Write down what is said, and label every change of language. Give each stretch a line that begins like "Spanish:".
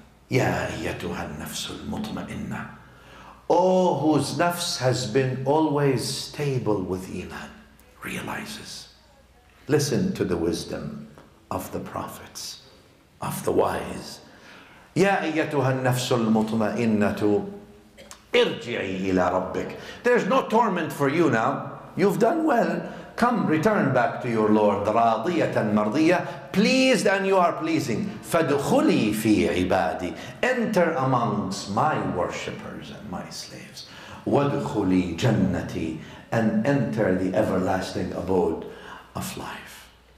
Arabic: يَا أَيَّتُهَا النَّفْسُ الْمُطْمَئِنَّةِ,
English: oh, whose nafs has been always stable with Iman, realizes. Listen to the wisdom of the prophets, of the wise.
Arabic: يَا أَيَّتُهَا النَّفْسُ الْمُطْمَئِنَّةُ اِرْجِعِي إِلَىٰ رَبِّكَ,
English: there's no torment for you now. You've done well. Come, return back to your Lord.
Arabic: رَاضِيَةً مَرْضِيَةً,
English: pleased and you are pleasing.
Arabic: فَدْخُلِي فِي عِبَادِي,
English: enter amongst my worshippers and my slaves.
Arabic: وَدْخُلِي جَنَّتِي,
English: and enter the everlasting abode of life.